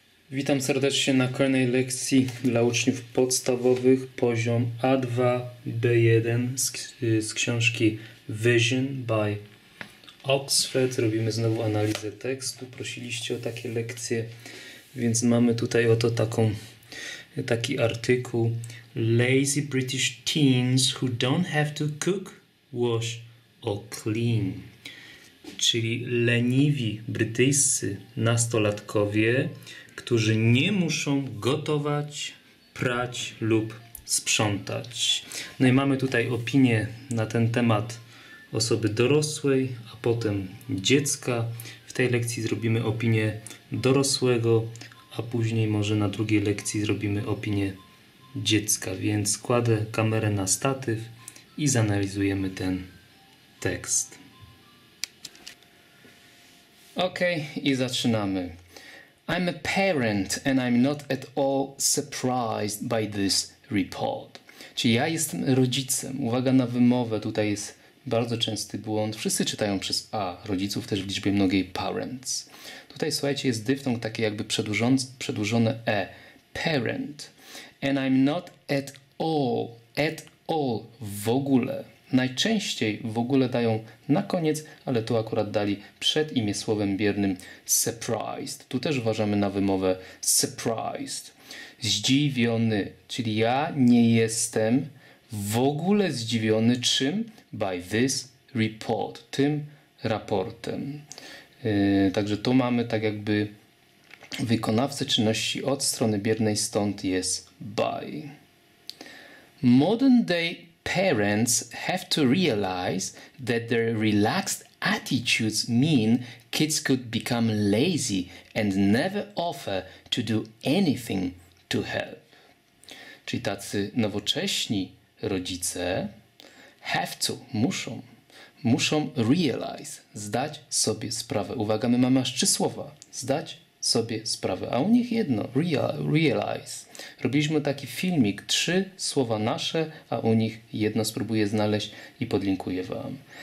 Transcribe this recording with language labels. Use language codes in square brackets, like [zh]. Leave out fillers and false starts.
[pl] Witam serdecznie na kolejnej lekcji dla uczniów podstawowych poziom A2 B1 z książki Vision by Oxford. Robimy znowu analizę tekstu. Prosiliście o takie lekcje, więc mamy tutaj oto taki artykuł. [en] Lazy British teens who don't have to cook, wash or clean. [pl] Czyli leniwi brytyjscy nastolatkowie, którzy nie muszą gotować, prać lub sprzątać. No i mamy tutaj opinię na ten temat osoby dorosłej, a potem dziecka. W tej lekcji zrobimy opinię dorosłego, a później może na drugiej lekcji zrobimy opinię dziecka. Więc kładę kamerę na statyw i zanalizujemy ten tekst. Ok, i zaczynamy. [en] I'm a parent and I'm not at all surprised by this report. [pl] Czyli ja jestem rodzicem. Uwaga na wymowę, tutaj jest bardzo częsty błąd. Wszyscy czytają przez A, rodziców też w liczbie mnogiej parents. Tutaj słuchajcie, jest dyftong taki jakby przedłużone E. [en] Parent. And I'm not at all. At all. [pl] W ogóle. Najczęściej w ogóle dają na koniec, ale tu akurat dali przed imię słowem biernym surprised. Tu też uważamy na wymowę surprised. Zdziwiony, czyli ja nie jestem w ogóle zdziwiony czym? [en] By this report, [pl] tym raportem. Także tu mamy tak jakby wykonawcę czynności od strony biernej, stąd jest by. [en] Modern day parents have to realize that their relaxed attitudes mean kids could become lazy and never offer to do anything to help. [pl] Czyli tacy nowocześni rodzice [en] have to, [pl] muszą realize, zdać sobie sprawę. Uwaga, my mamy aż trzy słowa, zdać sobie sprawę, a u nich jedno, realize. Robiliśmy taki filmik, trzy słowa nasze, a u nich jedno spróbuję znaleźć i podlinkuję wam.